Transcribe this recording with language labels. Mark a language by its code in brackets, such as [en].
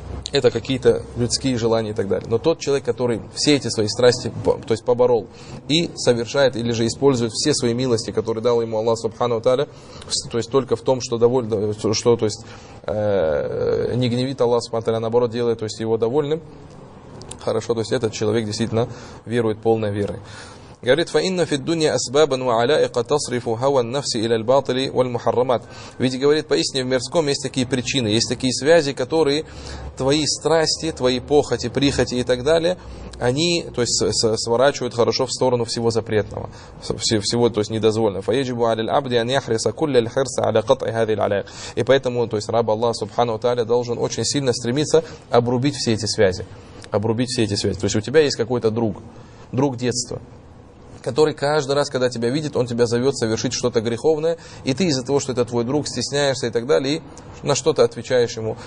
[ru] Это какие-то людские желания и так далее. Но тот человек, который все эти свои страсти, то есть поборол, и совершает или же использует все свои милости, которые дал ему Аллах Субхану ва Тааля, то есть только в том, что доволен, что то есть, не гневит Аллах Субхану ва Тааля, а наоборот делает то есть, его довольным, хорошо, то есть этот человек действительно верует полной верой. Говорит, [ar] فإن في الدنيا أسبابا وعلائق تصرف هوى النفس إلى الباطل والمحرمات. [ru] Ведь говорит, поистине в мирском есть такие причины, есть такие связи, которые твои страсти, твои похоти, прихоти и так далее, они, то есть, сворачивают хорошо в сторону всего запретного, всего, то есть, недозволенного. [ar] فيجب على العبد أن يحرص كل الحرص على قطع هذه العلائق. [ru] И поэтому, то есть, раб Аллаха Субхану ва Тааля должен очень сильно стремиться обрубить все эти связи, обрубить все эти связи. То есть, у тебя есть какой-то друг, друг детства, который каждый раз, когда тебя видит, он тебя зовет совершить что-то греховное, и ты из-за того, что это твой друг, стесняешься и так далее, и на что-то отвечаешь ему.